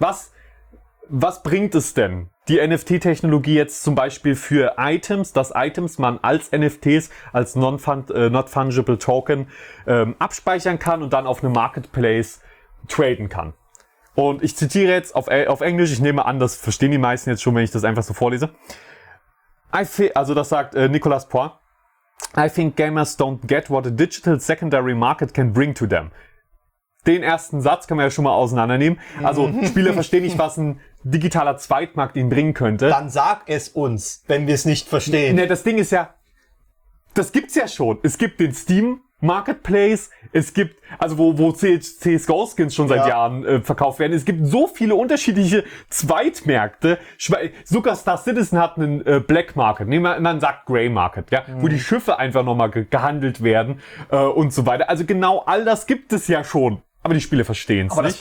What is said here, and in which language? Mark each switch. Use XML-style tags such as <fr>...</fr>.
<de>Was bringt es denn, die NFT-Technologie jetzt zum Beispiel für Items, dass Items man als NFTs, als Non-Fungible Token abspeichern kann und dann auf einem Marketplace traden kann? Und ich zitiere jetzt auf Englisch, ich nehme an, das verstehen die meisten jetzt schon, wenn ich das einfach so vorlese. Das sagt Nicolas Poir.</de> <en>I think gamers don't get what a digital secondary market can bring to them.</en> <de>Den ersten Satz kann man ja schon mal auseinandernehmen. Also Spieler verstehen nicht, was ein digitaler Zweitmarkt ihnen bringen könnte. Dann sag es uns, wenn wir es nicht verstehen. Ne, das Ding ist ja, das gibt's ja schon. Es gibt den Steam Marketplace, es gibt, also wo CSGO-Skins schon seit Jahren verkauft werden, es gibt so viele unterschiedliche Zweitmärkte, sogar Star Citizen hat einen Black Market, man sagt Grey Market, ja, wo die Schiffe einfach nochmal gehandelt werden und so weiter, also genau all das gibt es ja schon, aber die Spiele verstehen es nicht.</de>